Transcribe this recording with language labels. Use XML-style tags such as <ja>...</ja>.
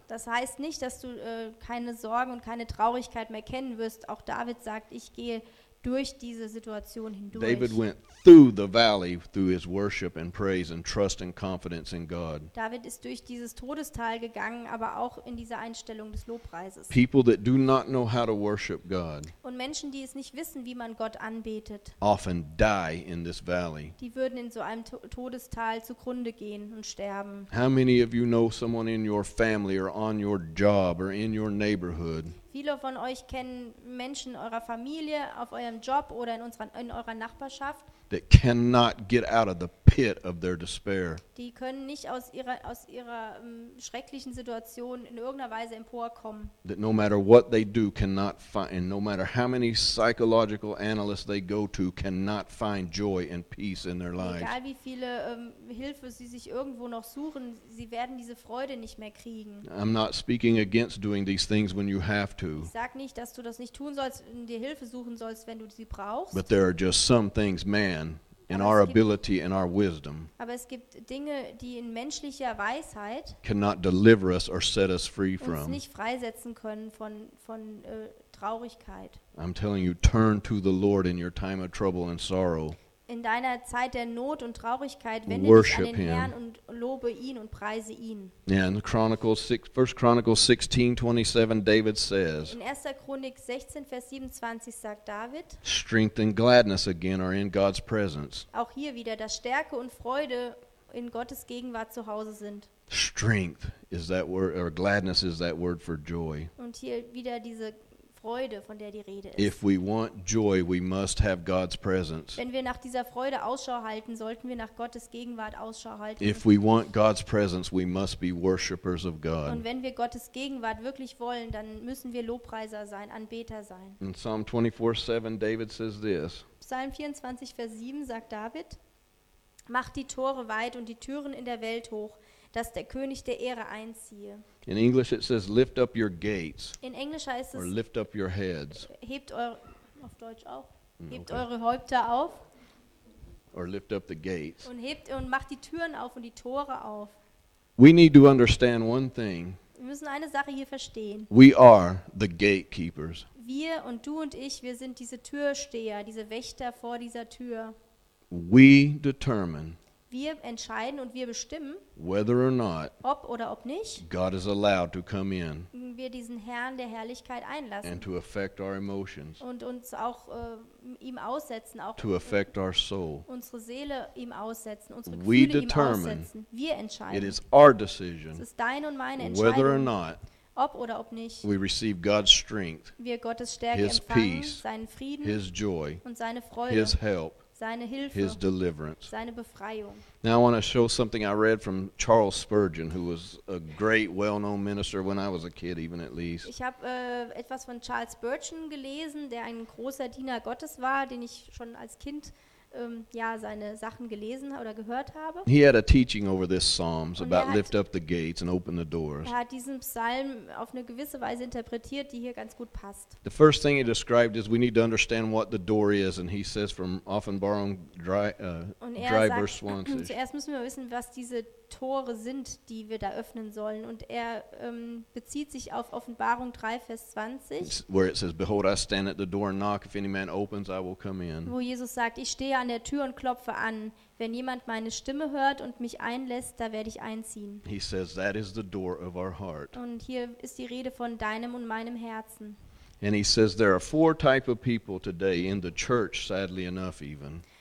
<de>Das heißt nicht, dass du keine Sorgen und keine Traurigkeit mehr kennen wirst. Auch David sagt, ich gehe durch diese Situation hindurch.</de> <en>David went through the valley through his worship and praise and trust and confidence in God.</en> <de>David ist durch dieses Todestal gegangen, aber auch in dieser Einstellung des Lobpreises.</de> <en>People that do not know how to worship God.</en> <de>Und Menschen, die es nicht wissen, wie man Gott anbetet.</de> <en>Often die in this valley.</en> <de>Die würden in so einem Todestal zugrunde gehen und sterben.</de> <en>How many of you know someone in your family or on your job or in your neighborhood?</en> <de>Viele von euch kennen Menschen in eurer Familie, auf eurem Job oder in eurer Nachbarschaft.</de> <en>That cannot get out of the pit of their despair.</en> <de>Die können nicht aus ihrer schrecklichen Situation in irgendeiner Weise emporkommen.</de> <en>That no matter what they do cannot find, and no matter how many psychological analysts they go to, cannot find joy and peace in their lives.</en> <de>Egal wie viele Hilfe sie sich irgendwo noch suchen, sie werden diese Freude nicht mehr kriegen.</de> <en>I'm not speaking against doing these things when you have to.</en> <de>Ich sag nicht, dass du das nicht tun sollst, dir Hilfe suchen sollst, wenn du sie brauchst.</de> <en>But there are just some things, man. In our ability and our wisdom.</en> <de>Aber es gibt Dinge, die in menschlicher Weisheit</de> <en>cannot deliver us or set us free from.</en> <de>Uns nicht freisetzen können von Traurigkeit.</de> <en>I'm telling you, turn to the Lord in your time of trouble and sorrow.</en> <de>In deiner Zeit der Not und Traurigkeit wende dich an den Herrn und lobe ihn und preise ihn.</de> <en>In First Chronicles 16:27, David says.</en> <de>In 1. Chronik 16, Vers 27 sagt David.</de> <en>Strength and gladness again are in God's presence.</en> <de>Auch hier wieder, dass Stärke und Freude in Gottes Gegenwart zu Hause sind.</de> <en>Strength is that word, or gladness is that word for joy.</en> <de>Und hier wieder diese Freude, von der die Rede ist.</de> <en>If we want joy, we must have God's presence.</en> <de>Wenn wir nach dieser Freude Ausschau halten, sollten wir nach Gottes Gegenwart Ausschau halten.</de> <en>If we want God's presence, we must be worshipers of God.</en> <de>Und wenn wir Gottes Gegenwart wirklich wollen, dann müssen wir Lobpreiser sein, Anbeter sein.</de> <en>In Psalm 24:7, David says this.</en> <de>Psalm 24, Vers 7 sagt David: Mach die Tore weit und die Türen in der Welt hoch, dass der König der Ehre einziehe.</de> <en>In English it says lift up your gates.</en> <de>In Englisch heißt es</de> <en>or lift up your heads.</en> <de>Hebt eure auf Deutsch auch. Hebt okay. Eure Häupter auf.</de> <en>Or lift up the gates.</en> <de>Und hebt und macht die Türen auf und die Tore auf.</de> <en>We need to understand one thing.</en> <de>Wir müssen eine Sache hier verstehen.</de> <en>We are the gatekeepers.</en> <de>Wir und du und ich, wir sind diese Türsteher, diese Wächter vor dieser Tür.</de> <en>We determine.</en> <de>Wir entscheiden und wir bestimmen,</de> <en>whether or not,</en> <de>ob oder ob nicht,</de> <en>God is allowed to come in,</en> <de>wir diesen Herrn der Herrlichkeit einlassen,</de> <en>and to affect our emotions,</en> <de>und uns auch ihm aussetzen, auch</de> <en>to affect our soul,</en> <de>unsere Seele ihm aussetzen, unsere Gefühle</de> <en>we determine,</en> <de>ihm aussetzen. Wir entscheiden.</de> <en>It is our decision,</en> <de>es ist deine und meine Entscheidung,</de> <en>whether or not,</en> <de>ob oder ob nicht,</de> <en>we receive God's strength,</en> <de>wir Gottes Stärke</de> <en>his</en> <de>empfangen,</de> <en>peace,</en> <de>seinen Frieden,</de> <en>his joy,</en> <de>und seine Freude,</de> <en>his help,</en> <de>seine Hilfe,</de> <en>his deliverance.</en> <de>Seine Befreiung.</de> <en>Now I want to show something I read from Charles Spurgeon, who was a great, well-known minister when I was a kid, even at least.</en> <de>Ich habe etwas von Charles Spurgeon gelesen, der ein großer Diener Gottes war, den ich schon als Kind seine Sachen gelesen oder gehört habe.</de> <en>He had a teaching over this Psalms about lift up the gates and open the doors.</en> <de>Er hat diesen Psalm auf eine gewisse Weise interpretiert, die hier ganz gut passt.</de> <en>The first thing he described is we need to understand what the door is, and he says from Offenbarung dry verse 1.</en> <de>Zuerst müssen wir wissen, was diese Tore sind, die wir da öffnen sollen, und er bezieht sich auf Offenbarung 3, Vers 20,</de> <en>where it says, "Behold, I stand at the door and knock. If any man opens, I will come in."</en> <de>Wo Jesus sagt, ich stehe an an der Tür und klopfe an. Wenn jemand meine Stimme hört und mich einlässt, da werde ich einziehen.</de> <en>He says, that is the door of our heart.</en> <de>Und hier ist die Rede von deinem und meinem Herzen.</de> <en>And he says there are four type of people today in the church, sadly enough even,</en>